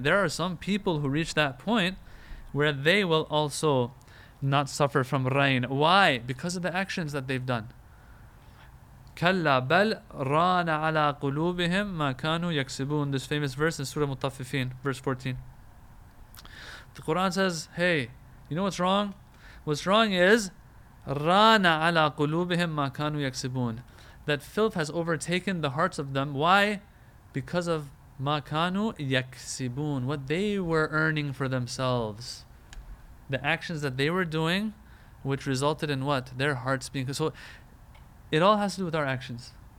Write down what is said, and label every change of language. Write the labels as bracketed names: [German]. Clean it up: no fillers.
[English] There are some people who reach that point where they will also not suffer from rain. Why? Because of the actions that they've done. [Arabic] كَلَّا بَلْ رَانَ عَلَىٰ قُلُوبِهِمْ مَا كَانُوا يَكْسِبُونَ. [English] This famous verse in Surah Mutaffifin, verse 14. The Quran says, hey, you know what's wrong? What's wrong is [Arabic] رَانَ عَلَىٰ قُلُوبِهِمْ مَا كَانُوا يَكْسِبُونَ. [English] That filth has overtaken the hearts of them. Why? Because of [Arabic] مَا كَانُوا يَكْسِبُونَ, [English] what they were earning for themselves. The actions that they were doing, which resulted in what? Their hearts being... So it all has to do with our actions.